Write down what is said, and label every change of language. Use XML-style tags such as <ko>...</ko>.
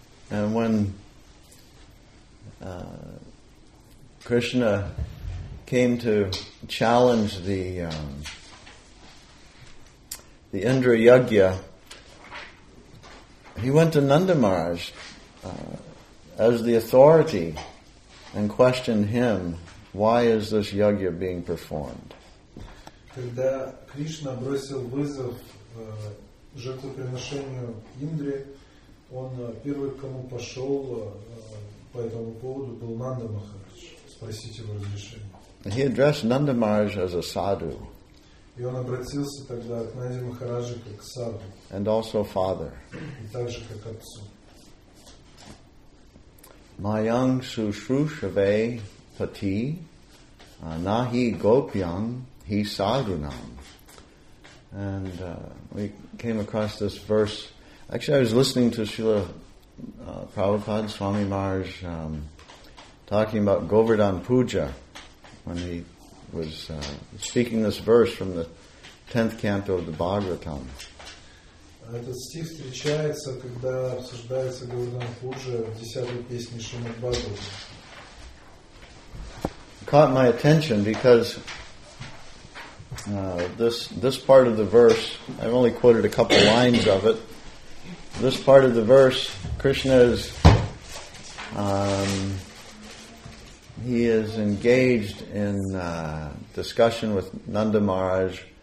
<en>And when Krishna came to challenge the Indra Yajna, he went to Nanda Maharaj as the authority and questioned him, why is this Yajna being performed?</en> <ru>Когда Кришна бросил вызов жертвоприношению Индре, он первый, к кому пошел по этому поводу, был Нанда Махарадж, спросить его разрешения.</ru> <en>He addressed Nanda Maharaj as a sadhu.</en> <ru>И он обратился тогда к Нанде Махараджу как к саду.</ru> <en>And also father.</en> <ru>И также как отцу.</ru> <sa>Mayang sushrushave pati nahi gopyang hi sadhunam.</sa> <en>And we came across this verse. Actually, I was listening to Srila Prabhupada, Swami Maharaj, talking about Govardhan Puja when he was speaking this verse from the 10th canto of the Bhagavatam.</en> <ru>Этот стих встречается, когда обсуждается Говардхан Пуджа в 10-й песне Шримад Бхагаватам.</ru> <en>Caught my attention because this part of the verse, I've only quoted a couple lines of it. This part of the verse, Krishna is he is engaged in discussion with Nanda Maharaj.</en>